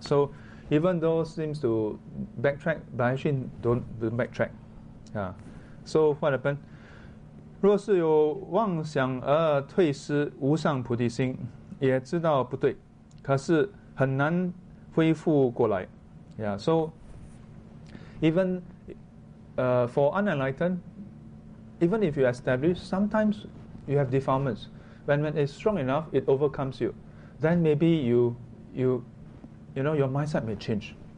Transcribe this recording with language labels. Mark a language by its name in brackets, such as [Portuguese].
[English] So even though seems to backtrack, but actually don't backtrack. Yeah. So what happened? [Chinese] 若是有妄想而退失无上菩提心, 也知道不对, 可是很难恢复过来. [English] Yeah. So even for unenlightened, even if you establish, sometimes you have defilements. When it's strong enough, it overcomes you. Then maybe you know, your mindset may change.